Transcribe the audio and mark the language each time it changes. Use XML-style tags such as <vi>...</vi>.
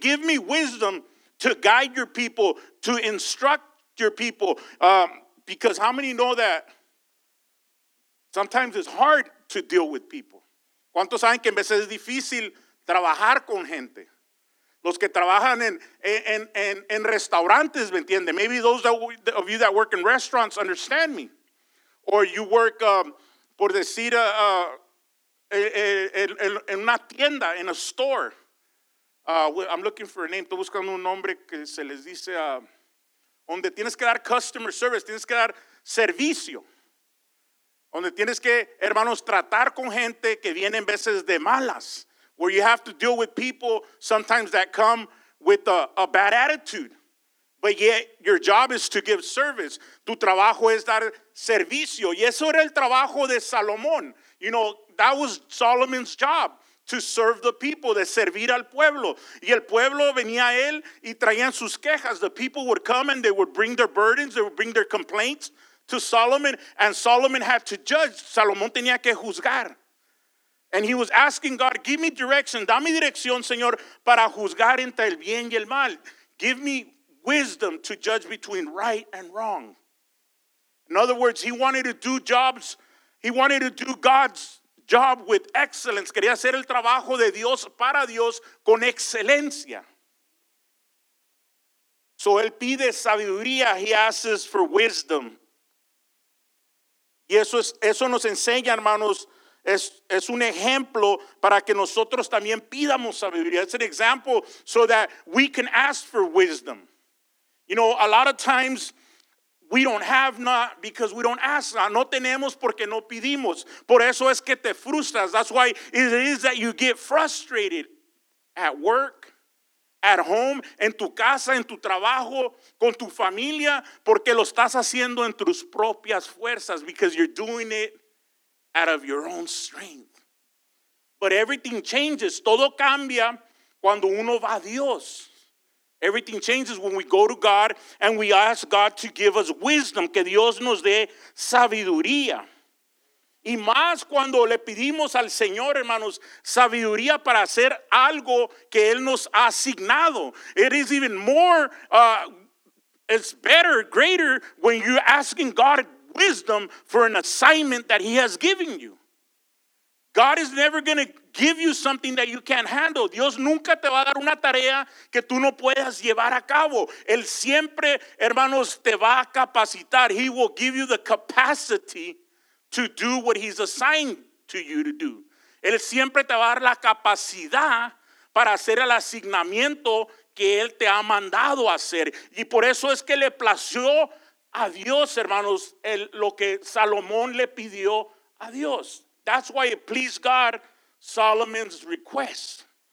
<en>Give me wisdom to guide your people, to instruct your people. Because how many know that sometimes it's hard to deal with people?</en> <es>¿Cuántos saben que a veces es difícil trabajar con gente? Los que trabajan en restaurantes, ¿me entiende?</es> <en>Maybe those of you that work in restaurants understand me. Or you work,</en> <es>por decir, en una tienda,</es> <en>in a store. I'm looking for a name.</en> <es>Estoy buscando un nombre que se les dice, donde tienes que dar customer service, tienes que dar servicio. Donde tienes que, hermanos, tratar con gente que viene en veces de malas.</es> <en>Where you have to deal with people sometimes that come with a bad attitude. But yet, your job is to give service.</en> <es>Tu trabajo es dar servicio. Y eso era el trabajo de Salomón.</es> <en>You know, that was Solomon's job, to serve the people,</en> <es>de servir al pueblo. Y el pueblo venía a él y traían sus quejas.</es> <en>The people would come and they would bring their burdens, they would bring their complaints to Solomon, and Solomon had to judge.</en> <es>Salomón tenía que juzgar.</es> <en>And he was asking God, give me direction.</en> <es>Dame dirección, Señor, para juzgar entre el bien y el mal.</es> <en>Give me wisdom to judge between right and wrong. In other words, he wanted to do jobs. He wanted to do God's job with excellence.</en> <es>Quería hacer el trabajo de Dios para Dios con excelencia.</es> <en>So</en> <es>él pide sabiduría.</es> <en>He asks for wisdom.</en> <es>Y eso nos enseña, hermanos, es un ejemplo para que nosotros también pidamos sabiduría.</es> <en>It's an example so that we can ask for wisdom. You know, a lot of times we don't have not because we don't ask.</en> <es>No tenemos porque no pedimos. Por eso es que te frustras.</es> <en>That's why it is that you get frustrated at work, at home,</en> <es>en tu casa, en tu trabajo, con tu familia, porque lo estás haciendo en tus propias fuerzas,</es> <en>because you're doing it out of your own strength. But everything changes.</en> <es>Todo cambia cuando uno va a Dios.</es> <en>Everything changes when we go to God and we ask God to give us wisdom,</en> <es>que Dios nos dé sabiduría. Y más cuando le pedimos al Señor, hermanos, sabiduría para hacer algo que Él nos ha asignado.</es> <en>It is even more, it's better, greater, when you're asking God wisdom for an assignment that He has given you. God is never going to give you something that you can't handle.</en> <es>Dios nunca te va a dar una tarea que tú no puedas llevar a cabo. Él siempre, hermanos, te va a capacitar.</es> <en>He will give you the capacity to do what He's assigned to you to do.</en> <es>Él siempre te va a dar la capacidad para hacer el asignamiento que Él te ha mandado hacer. Y por eso es que le plació a Dios, hermanos, lo que Salomón le pidió a Dios.</es> <en>That's why it pleased God, Solomon's request.</en>